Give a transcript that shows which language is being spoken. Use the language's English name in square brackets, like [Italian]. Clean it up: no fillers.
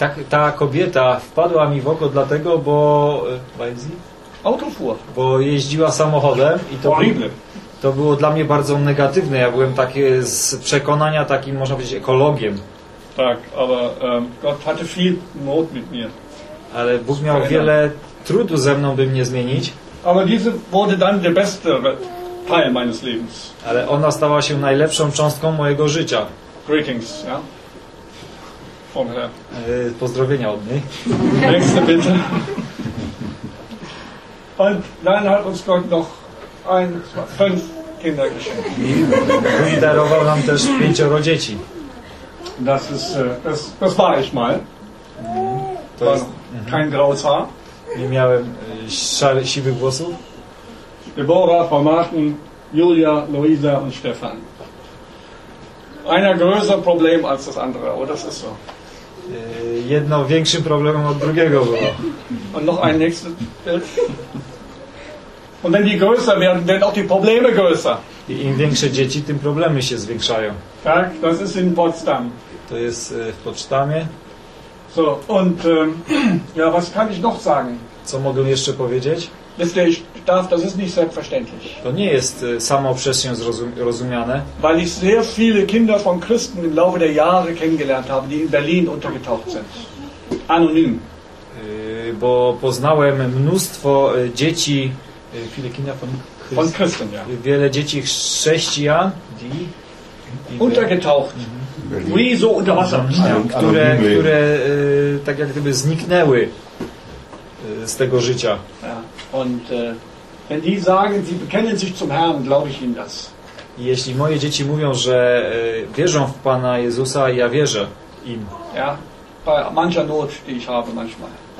[Polish] Ta kobieta wpadła mi w oko dlatego, bo... [German] Weiß sie? Auto fuhr. [Polish] Bo jeździła samochodem i to... [English] Horrible. [Polish] To było dla mnie bardzo negatywne. Ja byłem taki z przekonania takim, można powiedzieć, ekologiem. [German] Tak, aber Gott hatte viel Not mit mir. [Polish] Ale Bóg miał wiele trudu ze mną, by mnie zmienić. [German] Aber diese wurde dann der beste Teil meines Lebens. [Polish] Ale ona stała się najlepszą cząstką mojego życia. [German] Greetings, ja? Von her. [Polish] Pozdrowienia od niej. [German] Nächste bitte. Und dann hat uns Gott noch 5 Kinder geschenkt. [Polish] I darował nam też 5 dzieci. [German] Das war ich mal. To war kein graues Haar. [Polish] Nie miałem siwych włosów. [German] Deborah, Frau Martin, Julia, Luisa und Stefan. Einer größer Problem als das andere, oder? Das ist so. [Polish] Jedno większym problemem od drugiego było. [German] Und noch ein nächstes Bild. Und wenn die größer werden, werden auch die Probleme größer. [Polish] I im większe dzieci, tym problemy się zwiększają. [German] Tak, das ist in Potsdam. [Polish] To jest w Potsdamie. [German] So, und ja, was kann ich noch sagen? [Polish] Co mogę jeszcze powiedzieć? [German] Das ist nicht selbstverständlich. [Polish] To nie jest samo przez się rozumiane. [German] Weil ich sehr viele Kinder von Christen im Laufe der Jahre kennengelernt habe, die in Berlin untergetaucht sind. Anonym. [Polish] Bo poznałem mnóstwo dzieci, [German] viele Kinder von Christen, ja. [Polish] Wiele dzieci chrześcijan, die [German] untergetaucht. Wie so unter Wasser. [Polish] Które tak jak gdyby zniknęły z tego życia. [German] Ja. Und wenn die sagen, sie bekennen sich zum Herrn, glaube ich ihnen das. [Polish] Jeśli moje dzieci mówią, że wierzą w Pana Jezusa, ja wierzę im. [German] Ja, bei mancher Not, die ich habe manchmal.